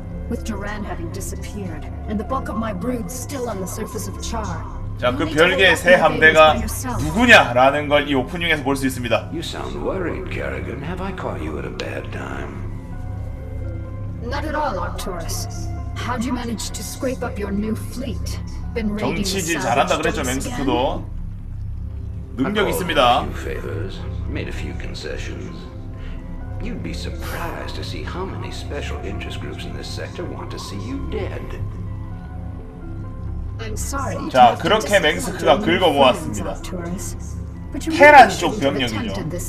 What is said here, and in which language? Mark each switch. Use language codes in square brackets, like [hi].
[en] With Duran having disappeared, and the bulk of my brood still on the surface of Char. [ko] 자, 그 별개의 새 함대가 누구냐라는 걸 이 오프닝에서 볼 수 있습니다. [en] You sound worried, Kerrigan. Have I caught you at a bad time? Not at all, Arcturus. How'd you manage to scrape up your new fleet? Been raiding. [ko] 정치질 잘한다 그랬죠, 맹스크도. 능력 있습니다. [en] Made a few concessions. You'd be surprised to see how many special interest groups in this sector want to see you dead. I'm sorry. [ko] 자, 그렇게 맹스크가 긁어 모았습니다. 테란 쪽 병력이죠.